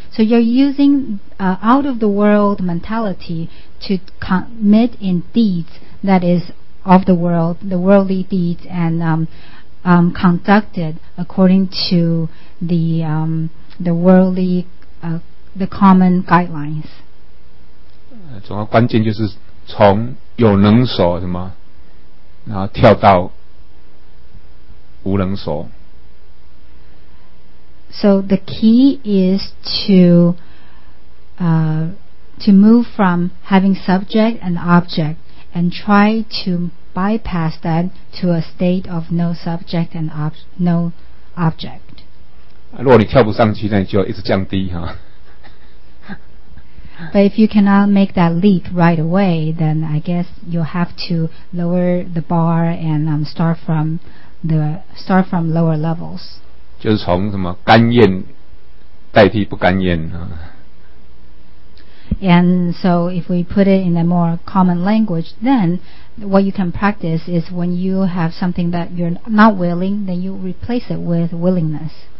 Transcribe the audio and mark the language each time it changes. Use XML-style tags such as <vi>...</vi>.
<en>So you're using out of the world mentality to commit in deeds that is of the world, the worldly deeds, and conducted according to the worldly the common guidelines.</en> <zh>主要关键就是从有能所什么，然后跳到无能所。</zh> <en>So the key is to move from having subject and object and try to bypass that to a state of no subject and no object.</en> <zh>如果你跳不上去，那你就一直降低哈。</zh> <en>But if you cannot make that leap right away, then I guess you'll have to lower the bar and start from lower levels.</en> <zh>就是从什么甘愿代替不甘愿啊。</zh> <en>And so if we put it in a more common language, then what you can practice is when you have something that you're not willing, then you replace it with willingness.</en>